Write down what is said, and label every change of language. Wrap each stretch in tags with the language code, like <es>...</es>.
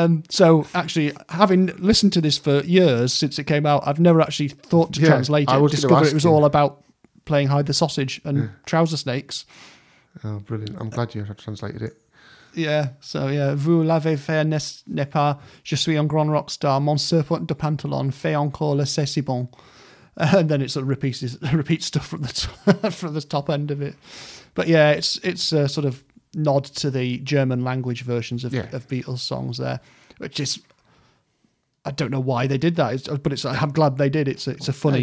<en>So actually, having listened to this for years since it came out, I've never actually thought to translate it. I discovered it was all about playing hide the sausage and trouser snakes. Oh, brilliant. I'm glad you have translated it. Yeah. So, yeah.</en> <fr>Vous l'avez fait, n'est-ce pas? Je suis un grand rock star. Mon serpent de pantalon fait encore le c'est si bon.</fr> <en>And then it sort of repeats stuff from the top end of it. But yeah, it's a sort of nod to the German language versions of Beatles songs there, which is... I don't know why they did that, I'm glad they did. It's a funny...</en>